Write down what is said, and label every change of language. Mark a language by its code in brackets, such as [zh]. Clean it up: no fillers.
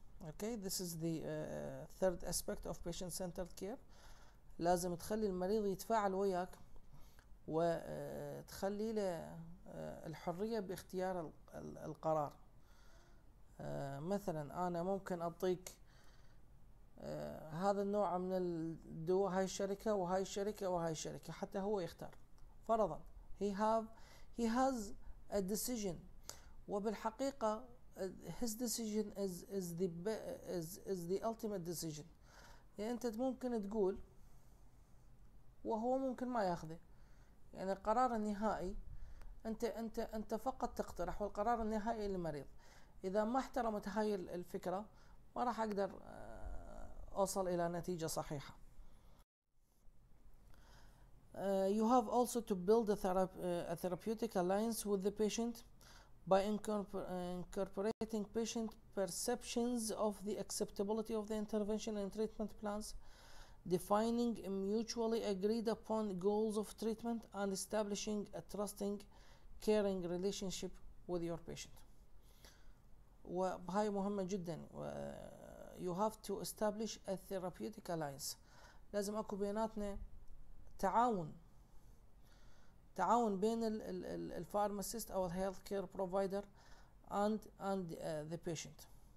[en] Okay, this is the third aspect of patient-centered care. [ar] لازم تخلي المريض يتفاعل وياك وتخلي له الحرية باختيار القرار. مثلا أنا ممكن أعطيك هذا النوع من الدواء، هاي الشركة وهاي الشركة وهاي الشركة، حتى هو يختار. فرضا [en] he has a decision، [ar] وبالحقيقة [en] his decision is the ultimate decision. [ar] يعني أنت ممكن تقول وهو ممكن ما يأخذه، يعني القرار النهائي أنت فقط تقترح، والقرار النهائي للمريض. إذا ما احترمت هاي الفكرة ما راح أقدر أوصل إلى نتيجة صحيحة. [en] You have also to build a therapeutic alliance with the patient by incorporating patient perceptions of the acceptability of the intervention and treatment plans, defining mutually agreed upon goals of treatment, and establishing a trusting, caring relationship with your patient. [ar] وهاي مهمة جدا. [en] You have to establish a therapeutic alliance. [ar] لازم أكو بيناتنا تعاون بين الفارماسيست أو الهيلث كير بروفايدر [en] and the patient.